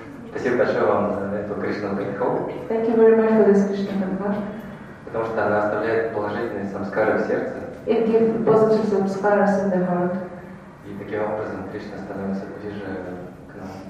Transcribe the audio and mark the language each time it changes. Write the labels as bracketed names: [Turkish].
[Russian] Спасибо большое вам за эту Кришну Прихол. [English] Thank you very much for this Krishna Prihol. [Russian] Потому что она оставляет положительные самскары в сердце. [English] It gives positive samskaras in the heart. [Russian] И таким образом Кришна становится ближе к нам.